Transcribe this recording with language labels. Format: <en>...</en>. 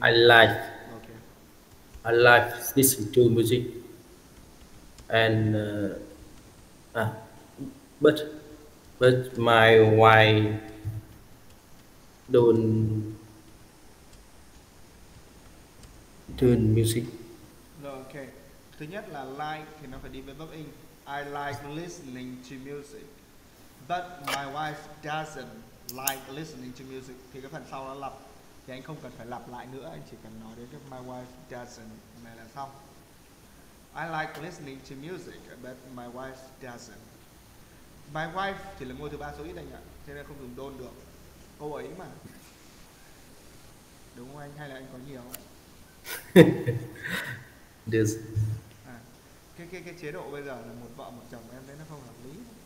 <en>I like listening to music and but my wife don't music. Okay.</en> <vi>Thứ nhất là like thì nó phải đi với verb in.</vi> <en>I like listening to music. But my wife doesn't like listening to music.</en> <vi>Thì cái phần sau nó lặp. Thì anh không cần phải lặp lại nữa, anh chỉ cần nói đến cái</vi> <en>my wife doesn't</en> <vi>này là xong.</vi> <en>I like listening to music, but my wife doesn't.</en> <vi>My wife chỉ là ngôi thứ ba số ít anh ạ, cho nên không dùng don't được. Cô ấy mà. Đúng không anh, hay là anh có nhiều ạ?</vi> <en>This.</en> <vi>À, cái chế độ bây giờ là một vợ một chồng em thấy nó không hợp lý.</vi>